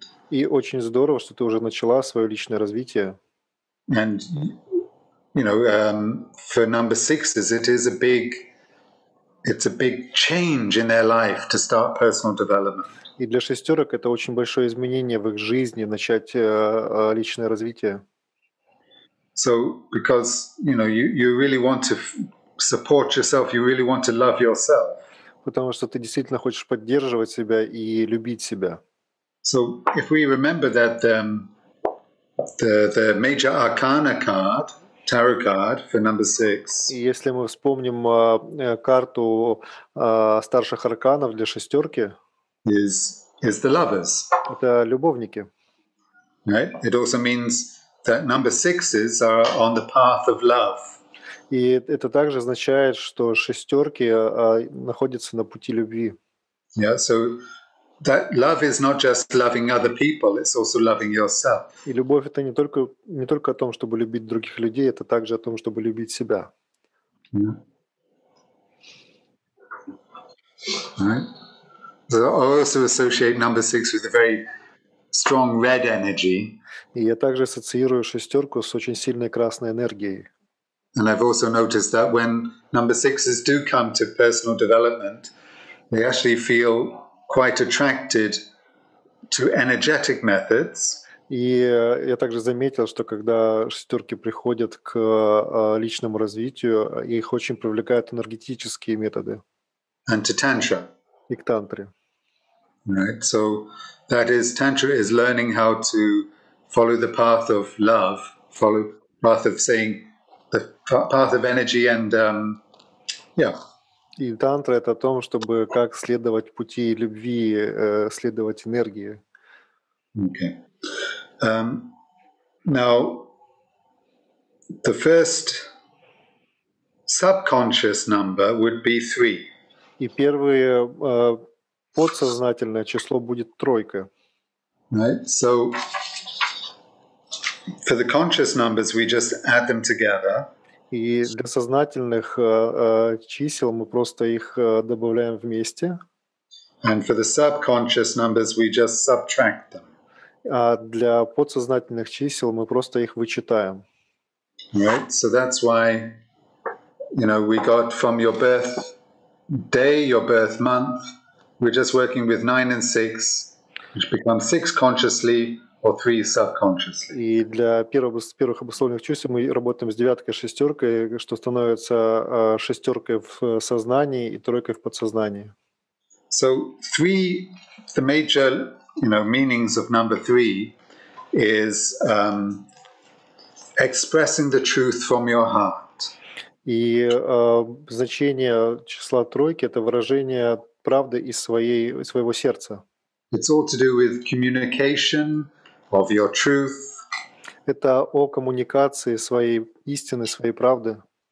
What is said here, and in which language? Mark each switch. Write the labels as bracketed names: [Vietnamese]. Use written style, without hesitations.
[Russian] И очень здорово, что ты уже начала свое личное развитие. [English] And you know, for number sixes, it's a big change in their life to start personal development. [Russian] И для шестерок это очень большое изменение в их жизни, начать личное развитие. [English] So, because you know, you really want to support yourself, you really want to love yourself. [Russian] Потому что ты действительно хочешь поддерживать себя и любить себя. [English] So, if we remember that the major arcana card, tarot card for number six. [Russian] И если мы вспомним карту старших арканов для шестерки. [English] Is the lovers. [Russian] Это любовники. [English] Right? It also means that number sixes are on the path of love. [Russian] И это также означает, что шестерки находятся на пути любви. [English] Yeah, so that love is not just loving other people, it's also loving yourself. [Russian] И любовь это не только о том, чтобы любить других людей, это также о том, чтобы любить себя. [English] Yeah. Right? So I also associate number six with a very strong red energy. [Russian] И я также ассоциирую шестерку с очень сильной красной энергией. [English] And I've also noticed that when number sixes do come to personal development, they actually feel quite attracted to energetic methods. [Russian] И я также заметил, что когда шестерки приходят к личному развитию, их очень привлекают энергетические методы. [English] And to tantra. [Russian] И к тантре. [English] Right, so that is tantra is learning how to follow the path of love, follow path of saying the path of energy and [Russian] И тантра это о том, чтобы как следовать пути любви, следовать энергии. [English] Okay. Now the first subconscious number would be 3. [Russian] И первое подсознательное число будет тройка. [English] Right. So for the conscious numbers we just add them together. [Russian] И для сознательных чисел мы просто их добавляем вместе. [English] And for the subconscious numbers we just subtract them. [Russian] А для подсознательных чисел мы просто их вычитаем. [English] Right. So that's why you know we got from your birth day, your birth month. We're just working with 9 and 6, which become 6 consciously or 3 subconsciously. [Russian] И для первых обусловленных чувств мы работаем с девяткой, шестеркой, что становится шестеркой в сознании и тройкой в подсознании. [English] So three, the major, you know, meanings of number 3 is expressing the truth from your heart. [Russian] И значение числа тройки — это выражение правды из своего сердца. [English] It's all to do with communication of your truth. [Russian] Это о коммуникации своей истины, своей правды.